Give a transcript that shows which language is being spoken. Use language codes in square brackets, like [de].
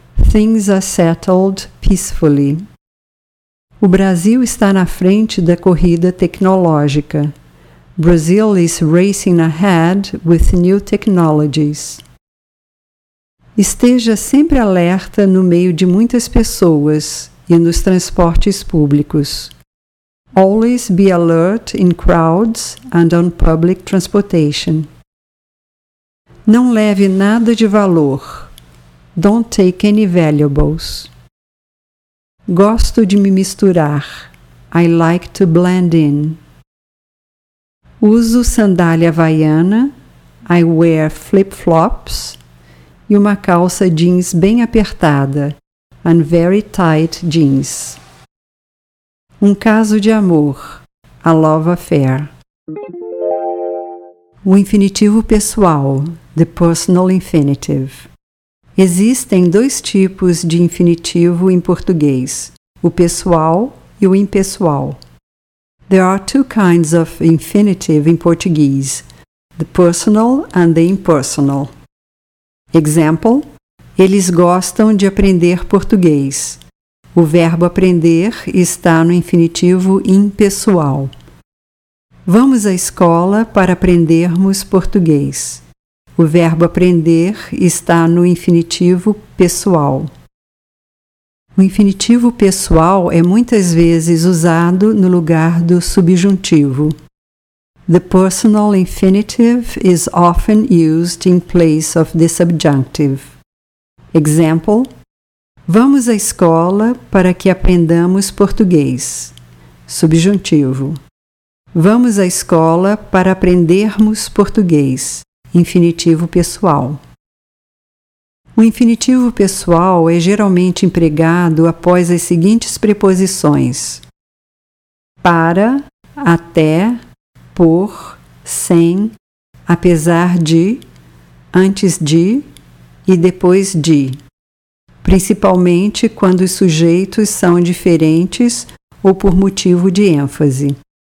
[en] Things are settled peacefully. [pt] O Brasil está na frente da corrida tecnológica. [en] Brazil is racing ahead with new technologies. [pt] Esteja sempre alerta no meio de muitas pessoas e nos transportes públicos. [en] Always be alert in crowds and on public transportation. [pt] Não leve nada de valor. [en] Don't take any valuables. [pt] Gosto de me misturar. [en] I like to blend in. [pt] Uso sandália havaiana, [en] I wear flip-flops, [pt] e uma calça jeans bem apertada, [en] and very tight jeans. [pt] Um caso de amor, [en] a love affair. [pt] O infinitivo pessoal, [en] the personal infinitive. [pt] Existem dois tipos de infinitivo em português, o pessoal e o impessoal. [en] There are two kinds of infinitive in Portuguese, the personal and the impersonal. [pt] Example: Eles gostam de aprender português. O verbo aprender está no infinitivo impessoal. Vamos à escola para aprendermos português. O verbo aprender está no infinitivo pessoal. O infinitivo pessoal é muitas vezes usado no lugar do subjuntivo. [en] The personal infinitive is often used in place of the subjunctive. [pt] Example: Vamos à escola para que aprendamos português. Subjuntivo. Vamos à escola para aprendermos português. Infinitivo pessoal. O infinitivo pessoal é geralmente empregado após as seguintes preposições: para, até, por, sem, apesar de, antes de e depois de, principalmente quando os sujeitos são diferentes ou por motivo de ênfase.